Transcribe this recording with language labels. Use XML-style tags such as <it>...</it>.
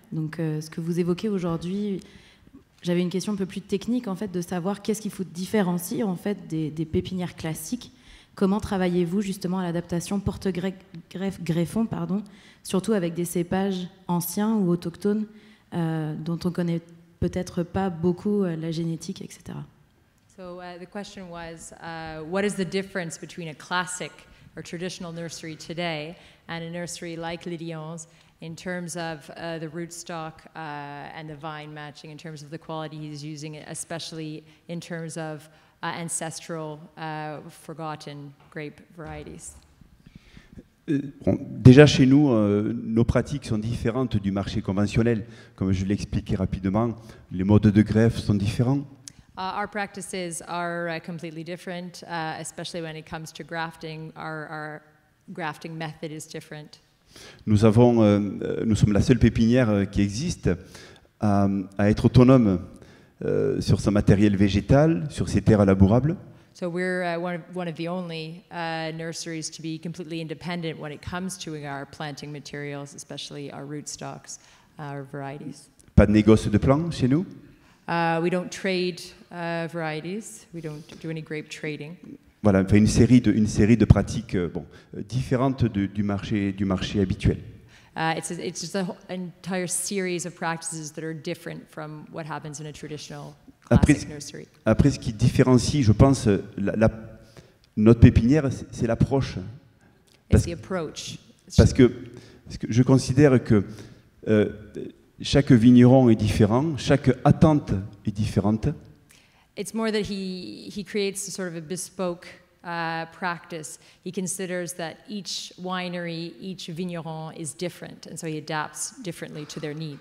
<fr>Donc, ce que vous évoquez aujourd'hui, j'avais une question un peu plus technique, en fait, de savoir qu'est-ce qu'il faut différencier, en fait, des pépinières classiques. Comment travaillez-vous justement à l'adaptation porte-greffon, pardon, surtout avec des cépages anciens ou autochtones dont on connaît peut-être pas beaucoup la génétique, etc.</fr> <en>So the question was, what is the difference between a classic or traditional nursery today and a nursery like Lilian's in terms of the rootstock and the vine matching, in terms of the quality he's using, especially in terms of ancestral, forgotten grape varieties.</en> <fr>Bon, déjà chez nous, nos pratiques sont différentes du marché conventionnel. Comme je l'expliquais rapidement, les modes de greffe sont différents.</fr> <en>Our practices are completely different, especially when it comes to grafting. Our grafting method is different.</en> <fr>Nous sommes la seule pépinière qui existe à être autonome. Sur son matériel végétal, sur ses terres labourables.</fr> <en>So we're one of the only nurseries to be completely independent when it comes to our planting materials, especially our rootstocks, our varieties.</en> <fr>Pas de négoce de plants chez nous?</fr> <en>We don't trade varieties. We don't do any grape trading.</en> <fr>Voilà, enfin une série de pratiques différentes du marché habituel.</fr> <en>It's just an entire series of practices that are different from what happens in a traditional classic nursery.</en> <fr>Après, ce qui différencie, je pense, notre pépinière, c'est l'approche.</fr> <en>It's the approach.</en> <fr>Parce que je considère que chaque vigneron est différent, chaque attente est différente.</fr> <en>It's more that he creates a sort of a bespoke practice. He considers that each winery, each vigneron is different, and so he adapts differently to their needs.</en>